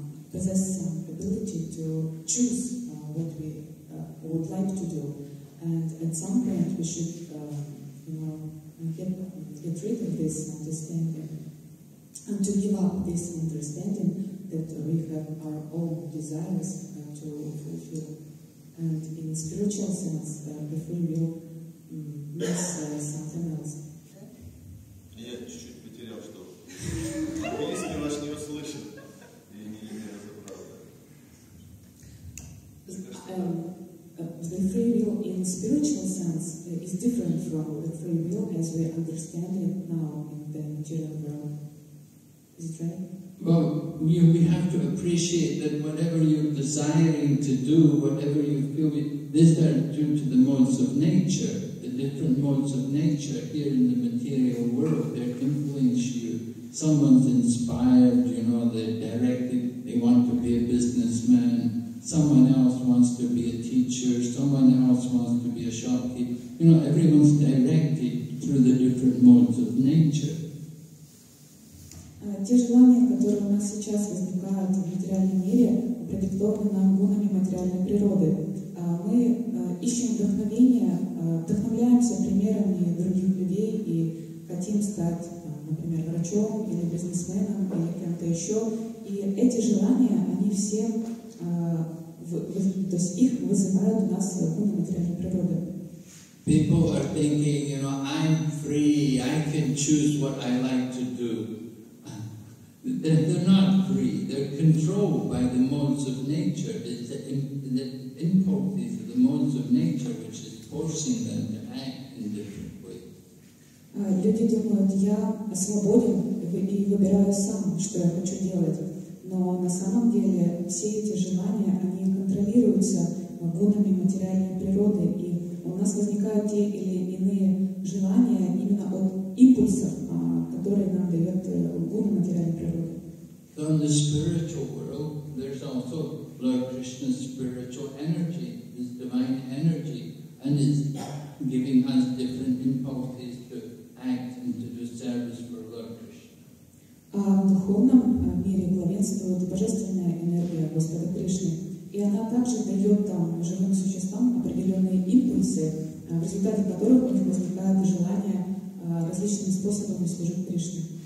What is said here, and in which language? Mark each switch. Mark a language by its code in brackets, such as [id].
[en] possess some ability to choose what we would like to do, and at some point we should get rid of this understanding and to give up this understanding that we have our own desires to fulfill. And in spiritual sense, the free will means something else. [ru] Я чуть-чуть потерял, что голос не ваш не услышит. Я не разобрал. [en] The free will in spiritual sense is different from the free will as we understand it now in the material world. Is it right? Well, we have to appreciate that whatever you're desiring to do, whatever you feel, these are due to the modes of nature, the different modes of nature here in the material world. They influence you. Someone's inspired, you know, they're directed, they want to be a businessman. Someone else wants to be a teacher. Someone else wants to be a shopkeeper. You know, everyone's directed through the different modes of nature. [ru] Те желания, которые у нас сейчас возникают в материальном мире, продиктованы гунами материальной природы. Мы ищем вдохновение, вдохновляемся примерами других людей и хотим стать, например, врачом или бизнесменом или кем-то еще. И эти желания, они все, то есть их вызывают у нас гуны материальной природы. [en] People are thinking, you know, I'm free, I can choose what I like to do. They're not free. They're controlled by the modes of nature. It's the impulse of the modes of nature which is forcing them to act in different ways. [ru] Люди думают, я свободен и выбираю сам, что я хочу делать. Но на самом деле все эти желания, они контролируются гунами материальной природы. И у нас возникают те или иные желания именно от импульсов, которые нам дает гуна материальной природы. [en] So in the spiritual world, there's also Lord Krishna's spiritual energy, his divine energy, and it's giving us different impulses to act and to do service for Lord Krishna. [ru] В духовном мире главенствует божественная энергия Господа Кришны, и она также дает там живым существам определенные импульсы, в результате которых у них возникает желание различными способами служить Кришне.